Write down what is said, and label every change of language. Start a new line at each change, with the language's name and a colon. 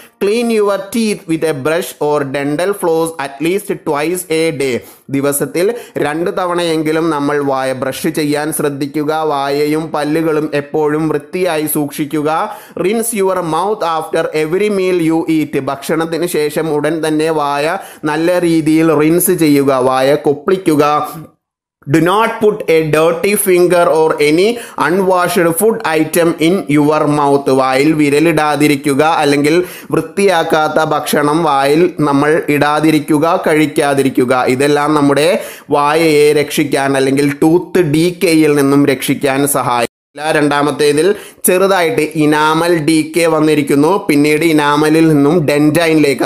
English: clean your teeth with a brush or dental floss at least twice a day,
Malayalam: ദിവസത്തിൽ രണ്ട് തവണയെങ്കിലും നമ്മൾ വായ ബ്രഷ് ചെയ്യാൻ ശ്രദ്ധിക്കുക. വായയും പല്ലുകളും എപ്പോഴും വൃത്തിയായി സൂക്ഷിക്കുക.
English: rinse your mouth after every meal you eat,
Malayalam: ഭക്ഷണത്തിന് ശേഷം ഉടൻ തന്നെ വായ നല്ല രീതിയിൽ റിൻസ് ചെയ്യുക, വായ കൊപ്പിക്കുക.
English: Do not put a dirty finger or any unwashed food item in your mouth.
Malayalam: വായിൽ വിരലിടാതിരിക്കുക, അല്ലെങ്കിൽ വൃത്തിയാക്കാത്ത ഭക്ഷണം വായിൽ നമ്മൾ ഇടാതിരിക്കുക, കഴിക്കാതിരിക്കുക. ഇതെല്ലാം നമ്മുടെ വായയെ രക്ഷിക്കാൻ അല്ലെങ്കിൽ ടൂത്ത് ഡീ കെയിൽ നിന്നും രക്ഷിക്കാൻ സഹായിക്കും. രണ്ടാമത്തേതിൽ ചെറുതായിട്ട് ഇനാമൽ ഡി കെ വന്നിരിക്കുന്നു, പിന്നീട് ഇനാമലിൽ നിന്നും ഡെൻറ്റൈനിലേക്ക്.